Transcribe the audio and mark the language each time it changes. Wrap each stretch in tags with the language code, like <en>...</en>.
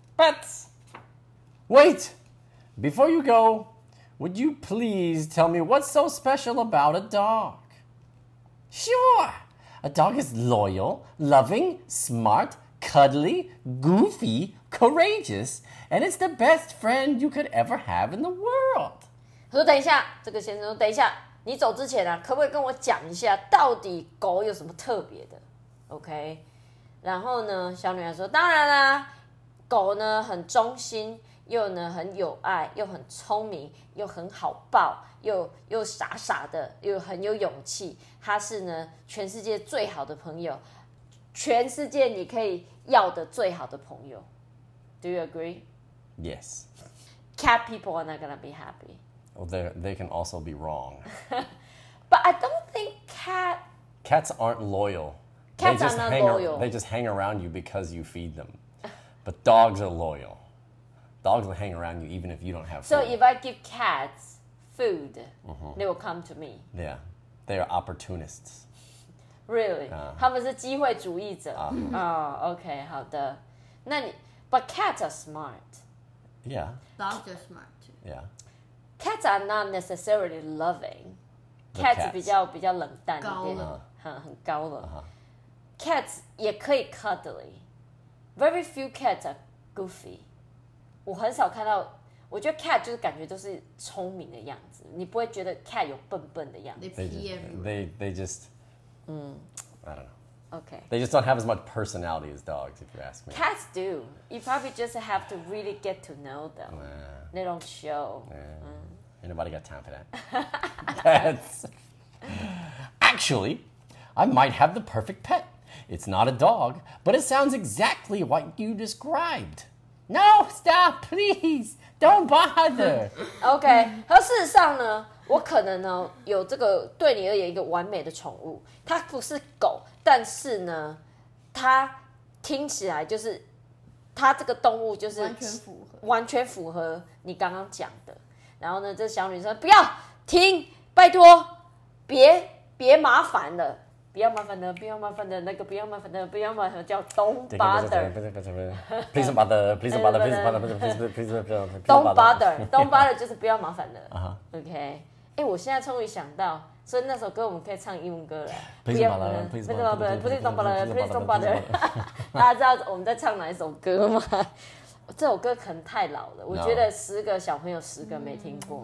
<en>But wait, before you go, would you please tell me what's so special about a dog? Sure, a dog is loyal, loving, smart, cuddly, goofy. Courageous, and it's the best friend you could ever have in the world.</en> <zh>说等一下，这个先生说等一下，你走之前啊，可不可以跟我讲一下，到底狗有什么特别的 ？OK， 然后呢，小女孩说，当然啦、啊，狗呢很忠心，又呢很有爱，又很聪明，又很好抱，又傻傻的，又很有勇气。它是呢全世界最好的朋友，全世界你可以要的最好的朋友。</zh> <en>Do you agree? Yes. Cat people are not going to be happy. Well, they can also be wrong. But I don't think cat... Cats aren't loyal. Cats are not loyal. They just hang around you because you feed them. But dogs are loyal. Dogs will hang around you even if you don't have food. So if I give cats food,、mm-hmm. they will come to me. Yeah. They are opportunists. Really?</en> <zh>他们是机会主义者。</zh> <en>Oh, okay,</en> <zh>好的。那你...</zh> <en>But cats are smart. Yeah. Dogs are smart too. Yeah. Cats are not necessarily loving. Cats</en> <zh>比较冷淡一点，很高冷。</zh> <en>Cats</en> <zh>也可以</zh> <en>cuddly. Very few cats are goofy.</en> <zh>我很少看到，我觉得 cat 就是感觉都是聪明的样子，你不会觉得 cat 有笨笨的样子。</zh> <en>They just. I don't know. Okay. They just don't have as much personality as dogs, if you ask me. Cats do. You probably just have to really get to know them. Nah. They don't show. Nah. Mm. Anybody got time for that? Cats. Actually, I might have the perfect pet. It's not a dog, but it sounds exactly what you described. No, stop, please. Don't bother. Okay.</en> <zh>和事实上呢我可能呢有这个对你而言一个完美的宠物，它不是狗，但是呢，它听起来就是它这个动物就是完全符合你刚刚讲的。然后呢，这小女生不要听，拜托，别麻烦了，不要麻烦了，不要麻烦了，那个不要麻烦了，不要麻烦了，叫</zh> <en>don't bother， please don't bother， please don't bother， please don't bother， please don't bother， don't bother， don't bother</en> <zh>就是不要麻烦了。</zh> <en>OK。</en> <zh>哎，我现在终于想到，所以那首歌我们可以唱英文歌了。</zh> <en>Please don't bother, please don't bother, please don't bother, please don't bother。</en> <zh>大家知道我们在唱哪一首歌吗？这首歌可能太老了，我觉得十个小朋友十个没听过。</zh>